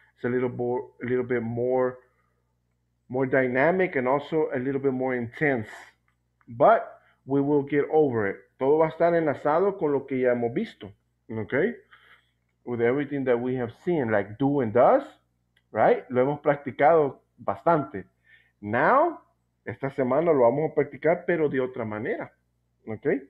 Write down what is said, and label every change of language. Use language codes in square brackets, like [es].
[en] It's a little bit more dynamic and also a little bit more intense. But we will get over it. [es] Todo va a estar enlazado con lo que ya hemos visto, okay? [en] With everything that we have seen, like do and does, right? [es] Lo hemos practicado bastante. Now, esta semana lo vamos a practicar, pero de otra manera, ¿ok?